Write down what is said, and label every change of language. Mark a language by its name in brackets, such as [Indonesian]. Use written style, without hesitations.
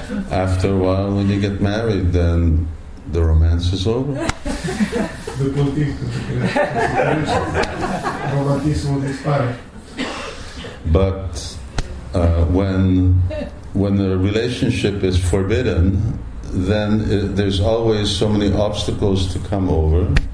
[English] After a while, when you get married, then the romance is over. [Romanian] După timp, pentru că romantismul dispare. [English] But when the relationship is forbidden, then there's always so many obstacles to come over.